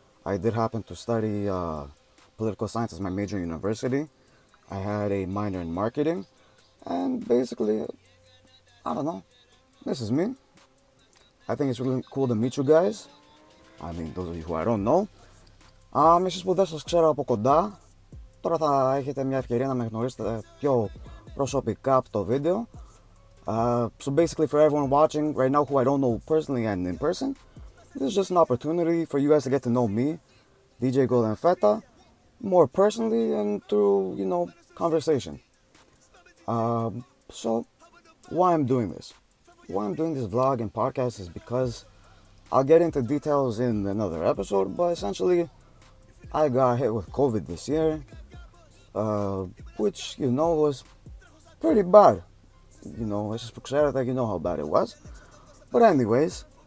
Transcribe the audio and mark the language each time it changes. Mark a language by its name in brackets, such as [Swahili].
[English] I did happen to study political science as my major in university. I had a minor in marketing. And basically, I don't know. This is me. I think it's really cool to meet you guys. I mean, those of you who I don't know. [Greek] Εσείς που δεν σας ξέρω από κοντά, τώρα θα έχετε μια ευκαιρία να με γνωρίσετε πιο προσωπικά από το βίντεο. [English] So basically, for everyone watching right now who I don't know personally and in person, this is just an opportunity for you guys to get to know me, DJ Golden Feta, more personally and through, you know, conversation. So why I'm doing this? Why I'm doing this vlog and podcast is because I'll get into details in another episode, but essentially, I got hit with COVID this year, which, you know, was pretty bad. You know, I just forgot that, you know how bad it was. But anyways,